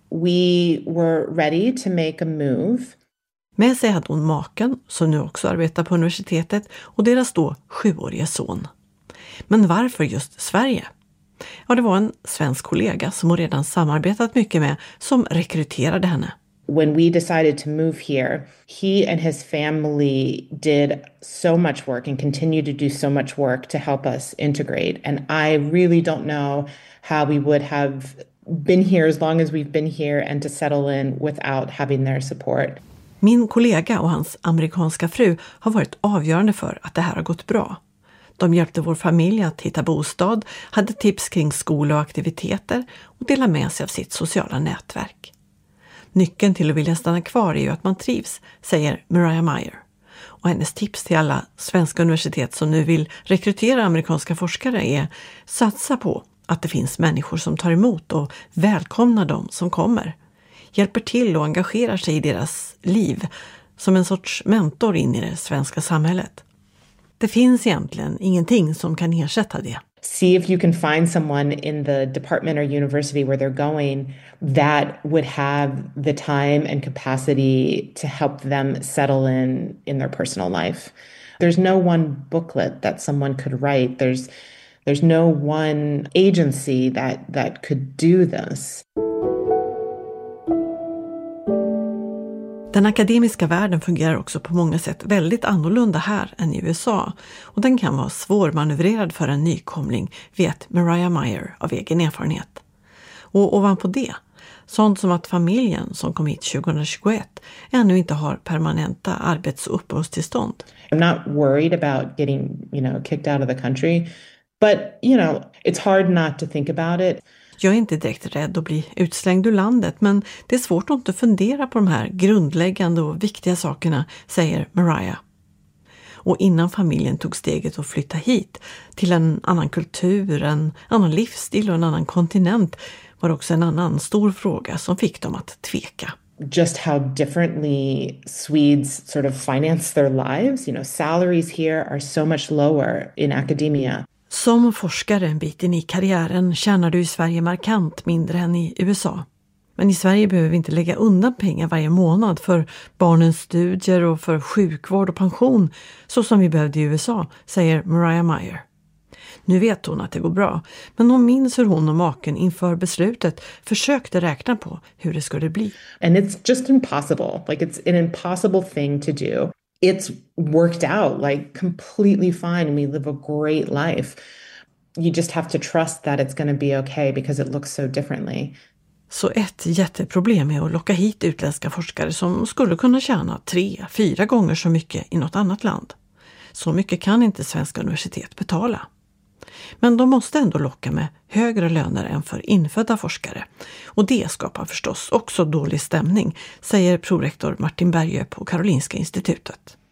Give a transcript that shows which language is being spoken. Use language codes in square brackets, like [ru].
[en] We were ready to make a move. [sv] Med sig hade hon maken, som nu också arbetar på universitetet, och deras då 7-årige son. Men varför just Sverige? Ja, det var en svensk kollega som hon redan samarbetat mycket med som rekryterade henne. [en] When we decided to move here, he and his family did so much work and continue to do so much work to help us integrate. And I really don't know how we would have been here as long as we've been here and to settle in without having their support. [sv] Min kollega och hans amerikanska fru har varit avgörande för att det här har gått bra. De hjälpte vår familj att hitta bostad, hade tips kring skola och aktiviteter och delade med sig av sitt sociala nätverk. Nyckeln till att vilja stanna kvar är ju att man trivs, säger Mariah Meyer. Och hennes tips till alla svenska universitet som nu vill rekrytera amerikanska forskare är: satsa på att det finns människor som tar emot och välkomnar dem som kommer. Hjälper till och engagerar sig i deras liv som en sorts mentor in i det svenska samhället. Det finns egentligen ingenting som kan ersätta det. [en] See if you can find someone in the department or university where they're going that would have the time and capacity to help them settle in their personal life. There's no one booklet that someone could write. There's no one agency that could do this. [sv] Den akademiska världen fungerar också på många sätt väldigt annorlunda här än i USA, och den kan vara svårmanövrerad för en nykomling, vet Mariah Meyer av egen erfarenhet. Och ovanpå det, sånt som att familjen som kom hit 2021 ännu inte har permanenta arbets- och uppehållstillstånd. [en] I'm not worried about getting, you know, kicked out of the country, but you know, it's hard not to think about it. [sv] Jag är inte direkt rädd att bli utslängd ur landet, men det är svårt att inte fundera på de här grundläggande och viktiga sakerna, säger Mariah. Och innan familjen tog steget att flytta hit till en annan kultur, en annan livsstil och en annan kontinent var det också en annan stor fråga som fick dem att tveka. [en] Just how differently Swedes sort of finance their lives. You know, salaries here are so much lower in academia. [sv] Som forskare en bit in i karriären tjänar du i Sverige markant mindre än i USA. Men i Sverige behöver vi inte lägga undan pengar varje månad för barnens studier och för sjukvård och pension, så som vi behövde i USA, säger Mariah Meyer. Nu vet hon att det går bra, men hon minns hur hon och maken inför beslutet försökte räkna på hur det skulle bli. [en] And it's just impossible. Like, it's an impossible thing to do. It's worked out like completely fine and we live a great life. You just have to trust that it's going to be okay because it looks so differently. [sv] Så ett jätteproblem är att locka hit utländska forskare som skulle kunna tjäna 3-4 gånger så mycket i något annat land. Så mycket kan inte svenska universitet betala. Men de måste ändå locka med högre löner än för infödda forskare. Och det skapar förstås också dålig stämning, säger prorektor Martin Berge på Karolinska institutet.